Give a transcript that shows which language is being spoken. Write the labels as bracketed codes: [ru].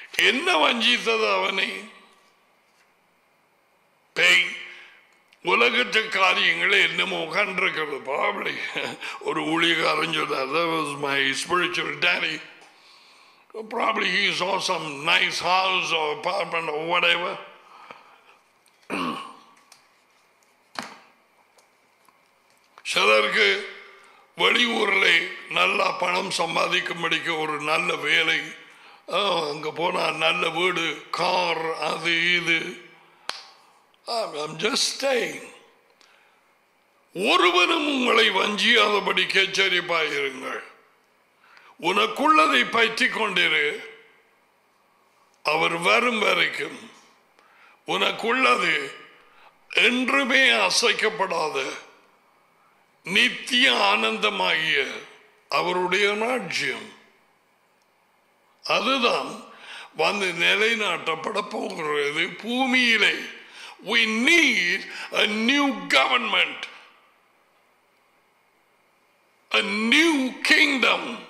[ta] என்ன வஞ்சித்தது அவனை? பேய் உலகத்து காரியங்களை என்னமோ கண்டிருக்கிறது. பாவளி ஒரு ஊழியக்காரன் சொல்றார், [en] My spiritual daddy. Probably he saw some nice house or apartment or whatever. [ta] சிலருக்கு வெளியூரில் நல்லா பணம் சம்பாதிக்கும்படிக்கு ஒரு நல்ல வேலை, அங்கே போனால் நல்ல வீடு, கார், அது இது. [en] I'm just saying. [ta] ஒருவனும் உங்களை வஞ்சியாதபடி கேச்சரிப்பாயிருங்கள். உனக்குள்ளதை பற்றி கொண்டிரு. அவர் வரும் வரைக்கும் உனக்குள்ளது என்றுமே அசைக்கப்படாத நித்திய ஆனந்தமாகிய அவருடைய ராஜ்யம் அதுதான் வந்து நிலைநாட்டப்பட போகிறது பூமியிலே. [en] We need a new government, a new kingdom.